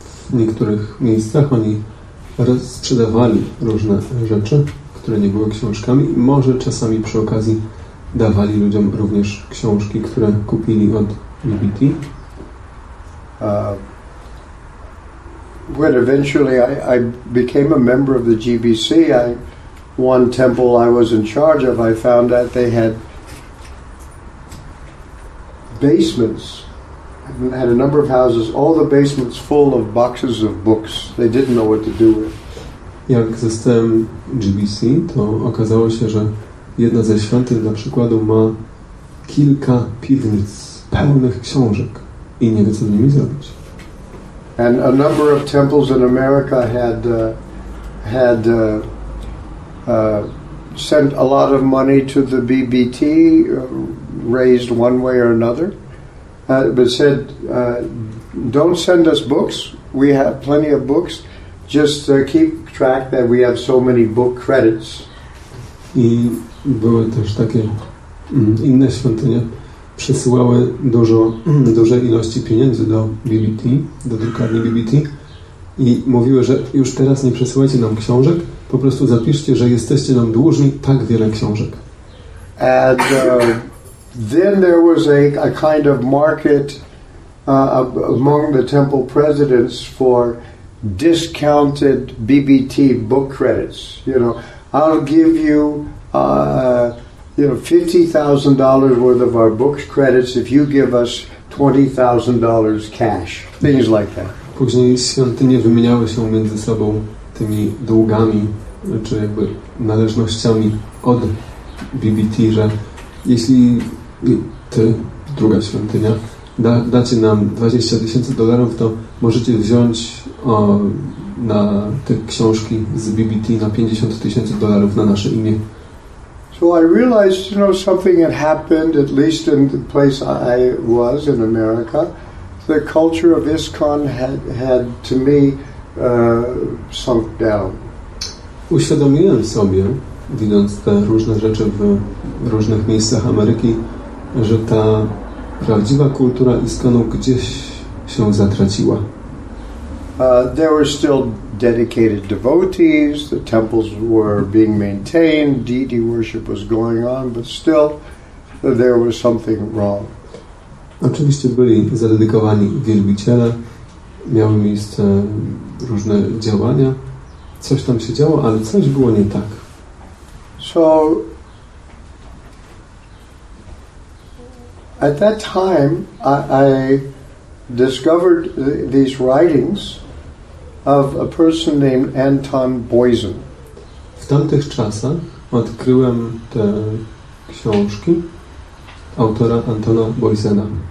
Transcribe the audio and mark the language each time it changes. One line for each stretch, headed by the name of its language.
Polish: W niektórych miejscach oni rozsprzedawali różne rzeczy, które nie były książkami. Może czasami przy okazji dawali ludziom również książki, które kupili od BBT.
English: When eventually I became a member of the GBC, one temple I was in charge of, I found that they had basements, had a number of houses, all the basements full of boxes of books. They didn't know what to do with.
Polish: Jak zostałem GBC, to okazało się, że jedna ze świątyń dla przykładu ma kilka piwnic pełnych książek i nie wie, co z nimi zrobić.
English: And a number of temples in America had sent a lot of money to the BBT, raised one way or another, but said, don't send us books, we have plenty of books, just keep track that we have so many book credits.
Polish: I były też takie inne świątynie, przesyłały duże ilości pieniędzy do BBT, do drukarni BBT i mówiły, że już teraz nie przesyłajcie nam książek, po prostu zapiszcie, że jesteście nam dłużni tak wiele książek.
English: And then there was a kind of market among the temple presidents for discounted BBT book credits. You know, I'll give you $50,000 worth of our books credits if you give us $20,000 cash. Things like that.
Polish: Później świątynie wymieniały się między sobą tymi długami czy jakby należnościami od BBT, że jeśli ty, druga świątynia, dacie nam $20,000, to możecie wziąć na te książki z BBT na $50,000 na nasze imię.
English: So I realized, you know, something had happened, at least in the place I was in America. The culture of ISKCON had to me, sunk down.
Polish: Uświadomiłem sobie, widząc te różne rzeczy w różnych miejscach Ameryki, że ta prawdziwa kultura ISKCON gdzieś się zatraciła.
English: There were still dedicated devotees, the temples were being maintained, deity worship was going on, but still there was something wrong.
Polish: Oczywiście byli zadedykowani wielbiciele, miały miejsce różne działania, coś tam się działo, ale coś było nie tak.
English: So at that time I discovered these writings of a person named Anton Boysen.
Polish: W tamtych czasach odkryłem te książki autora Antona Boysena.